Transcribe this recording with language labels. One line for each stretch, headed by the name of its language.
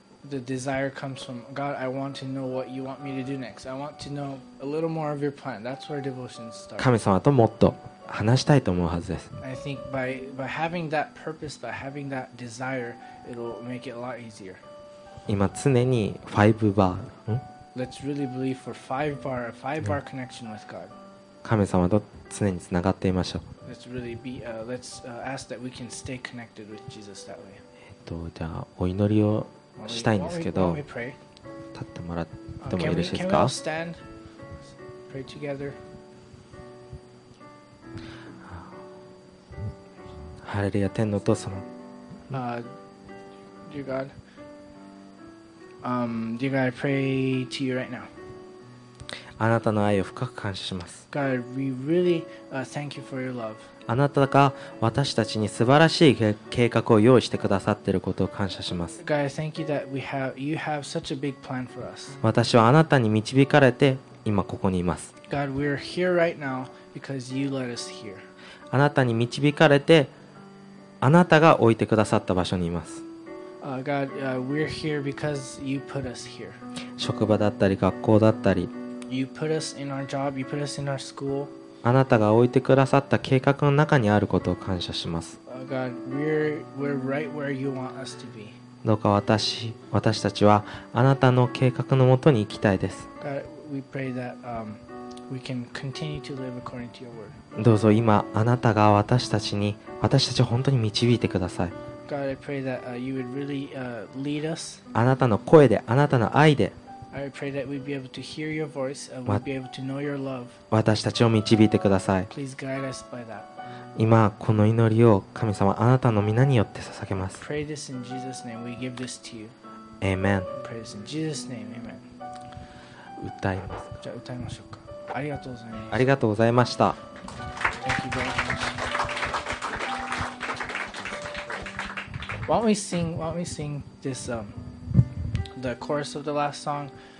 English: The desire comes from God. I want to know what you want me to do next. I want to know a little more of your plan. That's where devotion starts.
Japanese: 神様ともっと話したいと思うはずです。
English: I think by having that purpose, by having that desire, it'll make it a lot easier.
Japanese: 今常に5バー、ん？
English: Let's really believe for five bar connection with God.
Japanese: 神様と常につながっていましょう。
English: Let's really be, let's ask that we can stay connected with Jesus that way.
Japanese: じゃあお祈りをしたいんですけど、立ってもらってもよろしいですか？
English: Can we all stand? Pray together.
Japanese: ハレルヤ、天のお父様。
English: Dear God. Dear God, I pray to you right now.
Japanese: あなたの愛を深く感謝します。
English: God, we really, thank you for your love.
Japanese: あなたが私たちに素晴らしい計画を用意してくださっていることを感謝します。
English: God, thank you that you have such a big plan for us.
Japanese: 私はあなたに導かれて今ここにいます。
English: God, we're here right now because you led us here.
Japanese: あなたに導かれてあなたが置いてくださった場所にいます。
English: God, we're here because you put us here.
Japanese: 職場だったり学校だったり、
English: you put us in our job, you put us in our school.
Japanese: あなたが置いてくださった計画の中にあることを感謝します。
English: God, we're right where you want us to be.
Japanese: どうか私たちはあなたの計画のもとに行きたいです。
English: God, we pray that, we can continue to live according to your word.
Japanese: どうぞ今あなたが私たちを本当に導いてください。
English: God, I pray that you would really lead us.
Japanese: あなたの声で、あなたの愛で。
English: I pray that we'd be able to hear your voice and we'd be able to know your love.
Japanese: 私たちを導いてください。
English: Please guide us by that.
Japanese: 今この祈りを神様、あなたの名によって捧げます。
English: Pray this in Jesus' name. We give this to you. Amen. Pray this in Jesus' name. Amen.
Japanese: 歌いますか。じゃあ歌いましょうか。ありがとうございます。ありがとうございました。
English: Thank you very much. Why don't we sing this, the chorus of the last song?